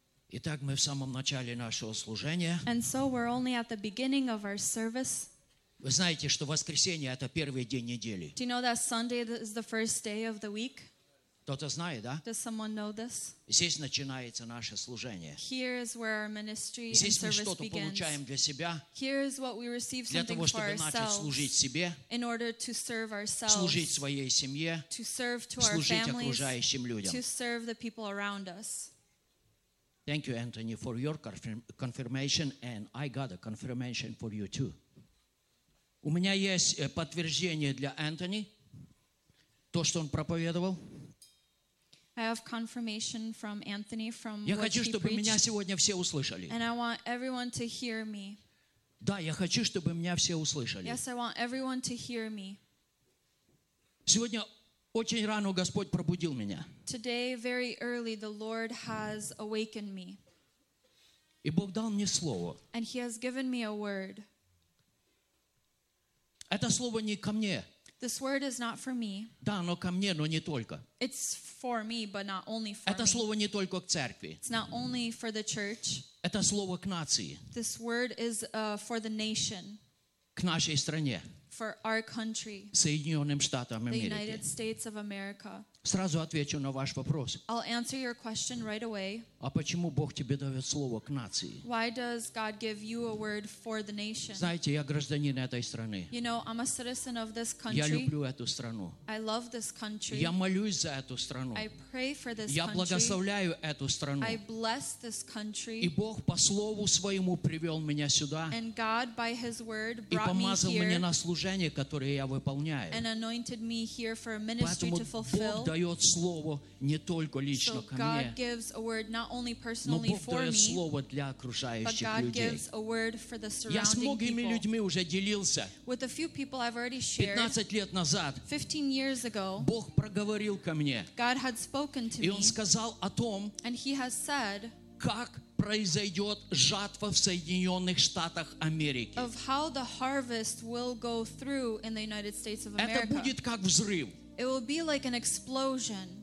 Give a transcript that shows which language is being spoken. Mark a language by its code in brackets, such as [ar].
[ru] Итак, мы в самом начале нашего служения. [en] And so we're only at the beginning of our service. [ru] Вы знаете, что воскресенье это первый день недели. [en] Do you know that Sunday is the first day of the week? [ru] Кто-то знает, да? [en] Does someone know this? [ru] Здесь начинается наше служение. [en] Here is where our ministry and [ru] здесь [en] service [ru] мы что-то [en] begins. [ru] Получаем для себя. [en] Here is what we receive [ru] для того, чтобы начать служить себе. [en] In order to serve ourselves, [ru] служить своей семье. [en] To serve to [ru] служить [en] our families, [ru] окружающим людям. [en] To serve the people around us. Thank you, Anthony, for your confirmation, and I got a confirmation for you too. [ru] У меня есть подтверждение для Anthony, то, что он проповедовал. [en] I have confirmation from Anthony from what he preached. And I want everyone to hear me. [ru] Да, я хочу, чтобы меня все услышали. [en] Yes, I want everyone to hear me. [ru] Сегодня очень рано Господь пробудил меня. [en] Today, very early, the Lord has awakened me. [ru] И Бог дал мне слово. [en] And he has given me a word. [ru] Это слово не ко мне. [en] This word is not for me. [ru] Да, оно ко мне, но не только. [en] It's for me, but not only for [ru] Это [en] me. [ru] Слово не только к церкви. [en] It's not only for the church. [ru] Это слово к нации. [en] This word is for the nation. [ru] К нашей стране. [en] For our country. [ru] Соединенным Штатам Америки. [en] The United States of America. [ru] Сразу отвечу на ваш вопрос. [en] I'll answer your question right away. [ru] А почему Бог тебе дает слово к нации? [en] Why does God give you a word for the nation? [ru] Знаете, я гражданин этой страны. [en] You know, I'm a citizen of this country. [ru] Я люблю эту страну. [en] I love this country. [ru] Я молюсь за эту страну. [en] I pray for this [ru] я [en] country. [ru] Я благословляю эту страну. [en] I bless this country. [ru] И Бог по слову своему привел меня сюда. [en] And God by his word brought me here. [ru] И помазал меня на служение, которое я выполняю. [en] And anointed me here for a ministry [ru] Поэтому [en] to fulfill. [ru] Бог дает слово не только лично [en] so [ru] ко [en] God [ru] мне. [en] Gives a word not only personally for me, but God gives a word for the surrounding people. With a few people I've already shared, 15 years ago, God had spoken to me, and he has said, [ru] произойдет жатва в Соединенных Штатах Америки. [en] Of how the harvest will go through in the United States of America. [ru] Это будет как взрыв. [en] It will be like an explosion.